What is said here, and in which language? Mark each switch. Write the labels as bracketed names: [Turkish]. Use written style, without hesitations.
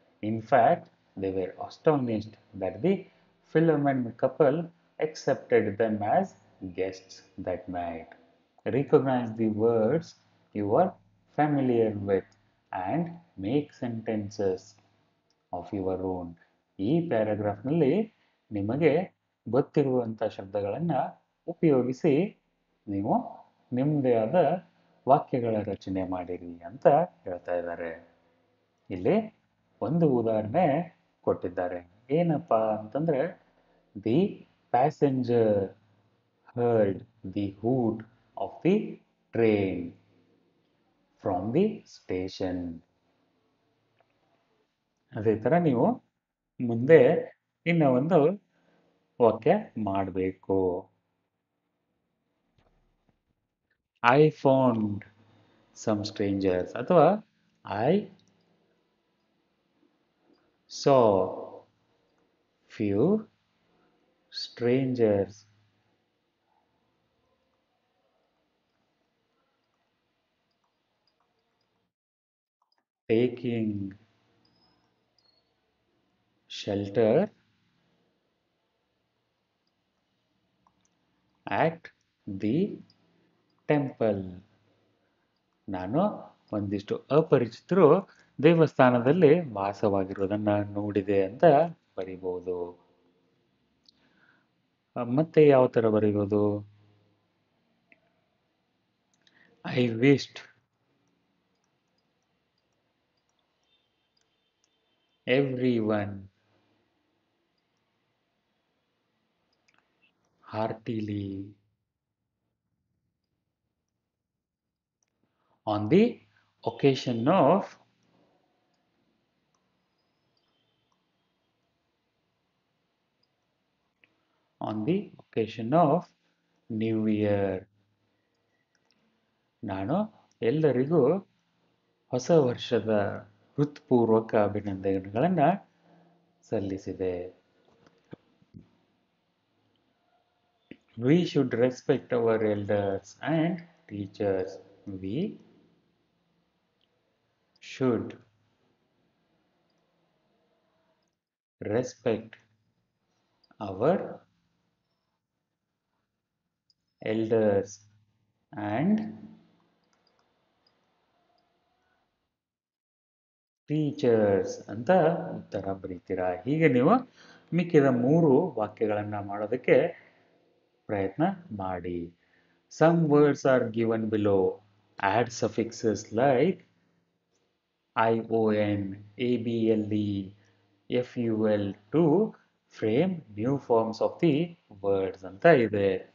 [English] In fact, they were astonished that the Philemon couple accepted them as guests that night. Recognize the words you are familiar with and make sentences of your own. [Kannada] ಈ ಪ್ಯಾರಾಗ್ರಾಫ್ನಲ್ಲಿ ನಿಮಗೆ ಗೊತ್ತಿರುವಂಥ ಶಬ್ದಗಳನ್ನು ಉಪಯೋಗಿಸಿ ನೀವು ನಿಮ್ಮದೇ ಆದ ವಾಕ್ಯಗಳ ರಚನೆ ಮಾಡಿರಿ ಅಂತ ಹೇಳ್ತಾ ಇದ್ದಾರೆ. ಇಲ್ಲಿ ಒಂದು ಉದಾಹರಣೆ ಕೊಟ್ಟಿದ್ದಾರೆ. ಏನಪ್ಪ ಅಂತಂದರೆ, [English] The passenger heard the hoot of the train from the station. [Kannada] ಅದೇ ಥರ ನೀವು ಮುಂದೆ ಇನ್ನೂ ಒಂದು ವಾಕ್ಯ ಮಾಡಬೇಕು. [English] I found some strangers ಅಥವಾ I saw few strangers taking shelter at the temple. [Kannada] ನಾನು ಒಂದಿಷ್ಟು ಅಪರಿಚಿತರು ದೇವಸ್ಥಾನದಲ್ಲಿ ವಾಸವಾಗಿರೋದನ್ನು ನೋಡಿದೆ ಅಂತ ಬರಿಬೋದು. ಮತ್ತೆ ಯಾವ ಥರ ಬರಿಬೋದು? [English] I wished everyone heartily on the occasion of on the occasion of new year. [Kannada] ನಾನು ಎಲ್ಲರಿಗೂ ಹೊಸ ವರ್ಷದ ಹೃತ್ಪೂರ್ವಕ ಅಭಿನಂದನೆಗಳನ್ನು ಸಲ್ಲಿಸಿದೆ. [English] We should respect our elders and teachers. We should respect our elders and teachers [Kannada] ಅಂತ ಉತ್ತರ ಬರೀತೀರಾ. ಹೀಗೆ ನೀವು ಮಿಕ್ಕಿದ ಮೂರು ವಾಕ್ಯಗಳನ್ನು ಮಾಡೋದಕ್ಕೆ ಪ್ರಯತ್ನ ಮಾಡಿ. [English] Some words are given below. Add suffixes like I O N A B L E F U L to frame new forms of the words [Kannada] ಅಂತ ಇದೆ.